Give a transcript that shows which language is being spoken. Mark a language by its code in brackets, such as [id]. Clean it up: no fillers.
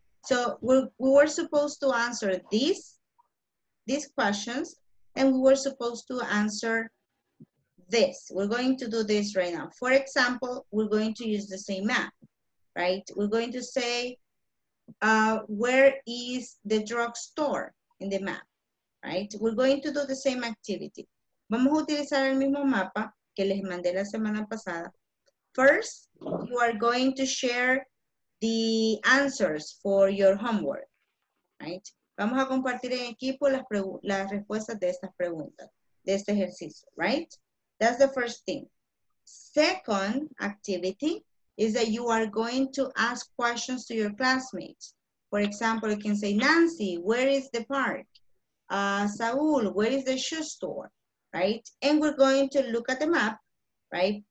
[en] So we were supposed to answer these questions, and we were supposed to answer this. We're going to do this right now. For example, we're going to use the same map, right? We're going to say, where is the drugstore in the map, right? We're going to do the same activity. [es] Vamos a utilizar el mismo mapa que les mandé la semana pasada. [en] First, you are going to share the answers for your homework, right? [es] Vamos a compartir en equipo las respuestas de estas preguntas, de este ejercicio, right? [en] That's the first thing. Second activity is that you are going to ask questions to your classmates. For example, you can say, Nancy, where is the park? Saul, where is the shoe store? Right? And we're going to look at the map, right?